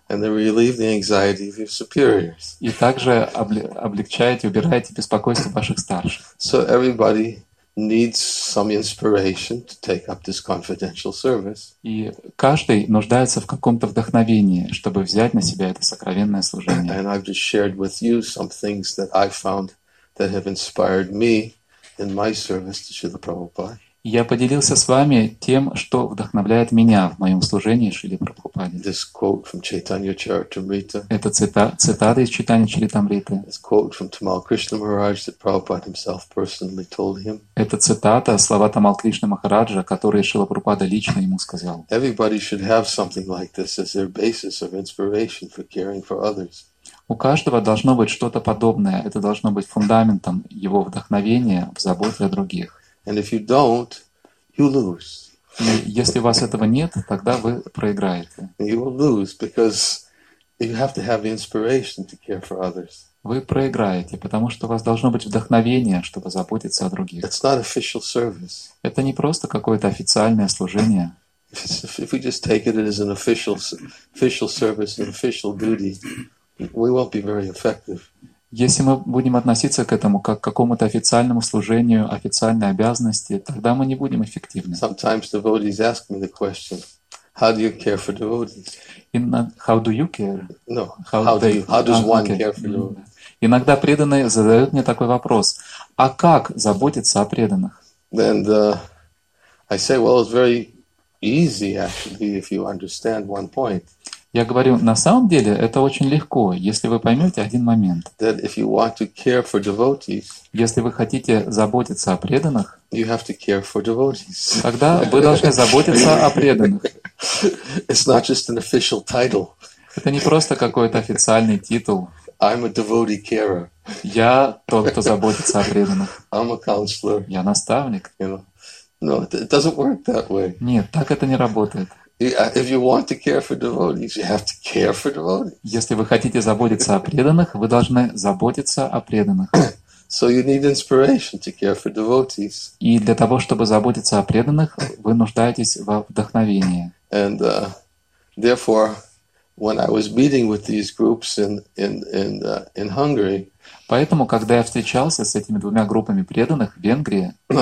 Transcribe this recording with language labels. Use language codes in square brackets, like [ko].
[en] And then relieve the anxiety of your superiors. [ru] И также облегчаете, убираете беспокойство ваших старших. [en] So everybody needs some inspiration to take up this confidential service. [ru] И каждый нуждается в каком-то вдохновении, чтобы взять на себя это сокровенное служение. [en] And I've just shared with you some things that I found that have inspired me. In my service to Srila Prabhupada. [ru] Я поделился с вами тем, что вдохновляет меня в моем служении Шриле Прабхупаде. [en] This quote from Chaitanya Charitamrita. [ru] Это цитата из Чайтанья Чаритамриты. [en] This quote from Tamal Krishna Maharaj that Prabhupada himself personally told him. [ru] Это цитата, слова Тамал Кришны Махараджа, которые Шрила Прабхупада лично ему сказал. [en] Everybody should have something like this as their basis of inspiration for caring for others. [ru] У каждого должно быть что-то подобное. Это должно быть фундаментом его вдохновения в заботе о других. [en] And if you don't, you lose. [ru] И если у вас этого нет, тогда вы проиграете. [en] You will lose because you have to have inspiration to care for others. [ru] Вы проиграете, потому что у вас должно быть вдохновение, чтобы заботиться о других. [en] It's not official service. [ru] Это не просто какое-то официальное служение. [en] If we just take it as an official service, an official duty. We won't be very effective. [ru] Если мы будем относиться к этому как к какому-то официальному служению, официальной обязанности, тогда мы не будем эффективны. [en] Sometimes devotees ask me the question, how do you care for devotees? How do you care? No, how does one care for devotees? [ru] Иногда преданные задают мне такой вопрос, а как заботиться о преданных? [en] And I say, well, it's very easy, actually, if you understand one point. [ru] Я говорю, на самом деле это очень легко, если вы поймете один момент. [en] That if you want to care for devotees, [ru] если вы хотите заботиться о преданных, [en] you have to care for devotees. [ru] Тогда вы должны заботиться о преданных. [en] It's not just an official title. [ru] Это не просто какой-то официальный титул. [en] I'm a devotee carer. [ru] Я тот, кто заботится о преданных. [en] I'm a counselor. [ru] Я наставник. [en] You know? No, it doesn't work that way. [ru] Нет, так это не работает. [en] If you want to care for devotees, you have to care for devotees. [ru] Если вы хотите заботиться о преданных, вы должны заботиться о преданных. [en] So you need inspiration to care for devotees. [ru] И для того, чтобы заботиться о преданных, вы нуждаетесь во вдохновении. [en] And therefore, when I was meeting with these groups in Hungary, [ru] поэтому, когда я встречался с этими двумя группами преданных в Венгрии,